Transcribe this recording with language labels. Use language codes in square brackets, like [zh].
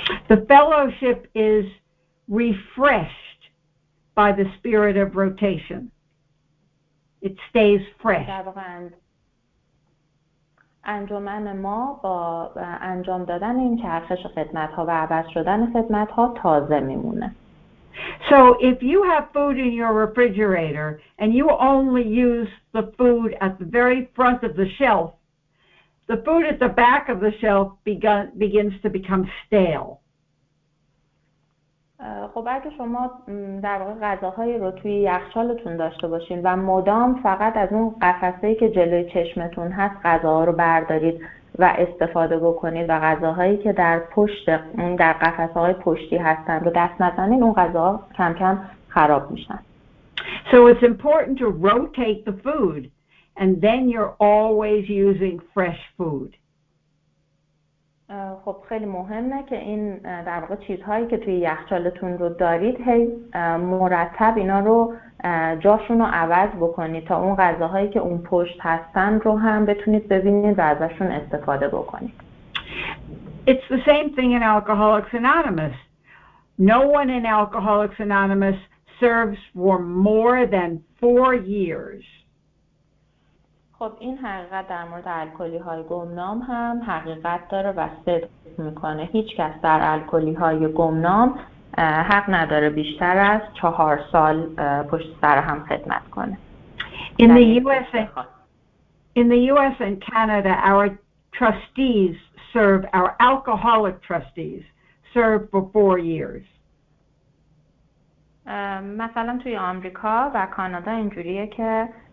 [en] The fellowship is refreshed by the spirit of rotation. It stays fresh. [fa] انجمن ما با انجام دادن این چرخش خدمت ها و عوض شدن خدمت ها تازه میمونه. [en] So if you have food in your refrigerator and you only use the food at the very front of the shelf, the food at the back of the shelf begins to become stale. [fa] خب اگه شما در واقع غذاهایی رو توی یخچالتون داشته باشین و مدام فقط از اون قفسه‌ای که جلوی چشمتون هست غذاها رو بردارید و استفاده بکنید و غذاهایی که در پشت اون در قفسه‌های پشتی هستن رو دست نزنید، اون غذاها کم کم خراب میشن. [en] So it's important to rotate the food and then you're always using fresh food. [fa] خب خیلی مهمه که این در واقع چیزهایی که توی یخچالتون رو دارید هی مرتب اینا رو جاشون رو عوض بکنید تا اون غذاهایی که اون پشت هستن رو هم بتونید ببینید و ازشون استفاده بکنید. [en] It's the same thing in Alcoholics Anonymous. No one in Alcoholics Anonymous serves for more than 4 years. [fa] خب این حقیقت در مورد الکلی های گمنام هم حقیقت داره و صدق میکنه. هیچ کس در الکلی های گمنام حق نداره بیشتر از 4 سال پشت سر هم خدمت کنه. [en] In the US and Canada, our trustees serve, our alcoholic trustees serve for 4 years. [fa] مثلا توی آمریکا و کانادا اینجوریه که